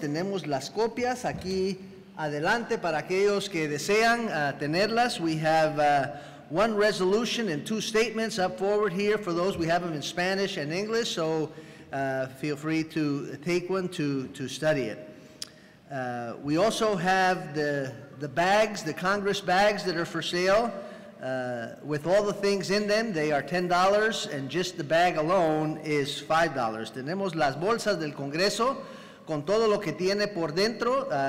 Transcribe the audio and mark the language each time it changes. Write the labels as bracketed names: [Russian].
[Spanish] Tenemos las copias aquí adelante para aquellos que desean tenerlas. [English] We have one resolution and two statements up forward here for those. We have them in Spanish and English, so feel free to take one to study it. We also have the bags, the Congress bags that are for sale with all the things in them. They are $10, and just the bag alone is $5. [Spanish] Tenemos las bolsas del Congreso con todo lo que tiene por dentro.